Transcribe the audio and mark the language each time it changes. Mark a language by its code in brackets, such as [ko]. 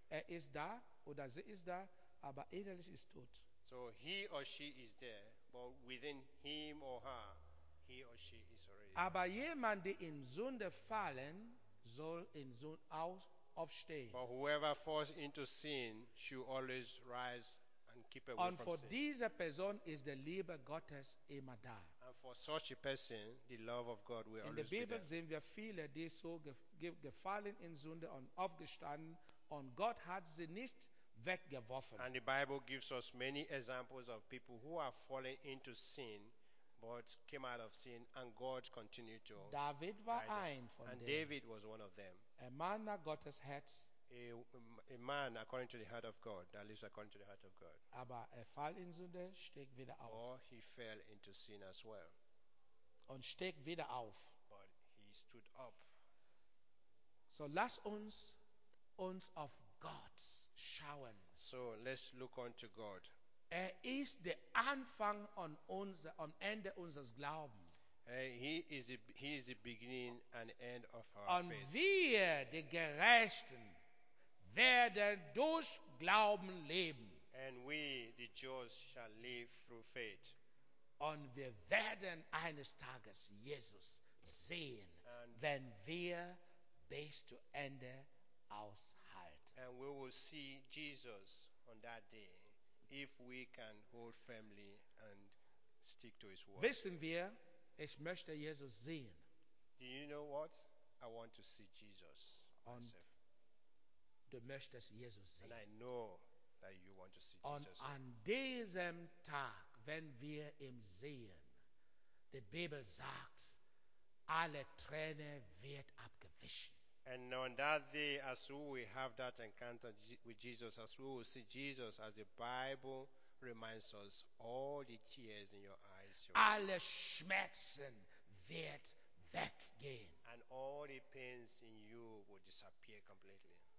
[de] Er ist da oder sie ist da, aber innerlich ist tot. [en] So he or she is there, but within him or her, he or she is already dead. [de] Aber jemand, der in Sünde fallen, soll in Sünde aufstehen. [en] But whoever falls into sin should always rise and keep away from sin. [de] Und [en] for [de] diese Person [en] is the [de] Liebe Gottes immer da. [en] And for such a person, the love of God will in always be there. [de] In der Bibel sehen wir viele, die so gefallen in Sünde und aufgestanden und Gott hat sie nicht weggeworfen. [en] And the Bible gives us many examples of people who are falling into sin but came out of sin and God continued to [de] David war ein von [en] and them. David was one of them. A man [de] nach Gottes Herz. [en] A man according to the heart of God, that lives according to the heart of God. [de] Aber er fall in Sünde, steig wieder auf. [en] Or he fell into sin as well. [de] Und steig wieder auf. [en] But he stood up. [de] So lass uns auf Gott schauen. [en] So let's look on to God. [de] Er ist der Anfang und am Ende unseres Glaubens. [en] He is the beginning and end of our faith. [de] Wir, die Gerechten, werden durch Glauben leben. [en] And we, the just, shall live through faith. [de] Und wir werden eines Tages Jesus sehen, and wenn wir bis zu Ende aushalten. [en] And we will see Jesus on that day, if we can hold firmly and stick to his word. [de] Wissen wir, ich möchte Jesus sehen. [en] Do you know what? I want to see Jesus myself. [de] Du möchtest Jesus sehen. [en] And I know that you want to see Jesus. [de] Und an diesem Tag, wenn wir ihn sehen, die Bibel sagt, alle Tränen wird abgewischt. [en] And on that day, as we have that encounter with Jesus, as we will see Jesus, as the Bible reminds us, all the tears in your eyes, [de] alle Schmerzen wird weggehen. [en] And all the pains in you will disappear completely.